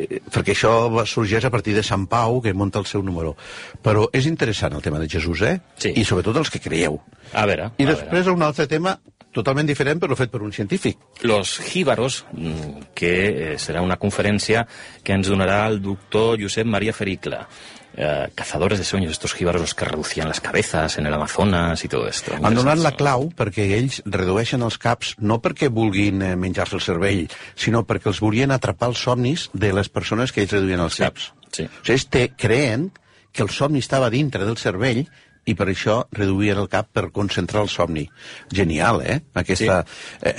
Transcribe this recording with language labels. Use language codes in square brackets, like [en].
[ca] Perquè això sorgeix a partir de Sant Pau, que munta el seu número. Però és interessant el tema de Jesús, eh? Sí. I sobretot els que creieu. A veure. I després un altre tema totalment diferent, però fet per un científic. Los Jíbaros, que serà una conferència que ens donarà el doctor Josep Maria Fericla. [es] Cazadores de sueños, estos jíbaros, los que reducían las cabezas en el Amazonas y todo esto. [ca] Han donat la clau perquè ells redueixen els caps no perquè vulguin menjar-se el cervell, sinó perquè els volien atrapar els somnis de les persones que ells reduïen els caps. Sí. O sigui, ells creien que el somni estava dintre del cervell i per això reduïen el cap per concentrar el somni. Genial, eh? Aquesta, sí.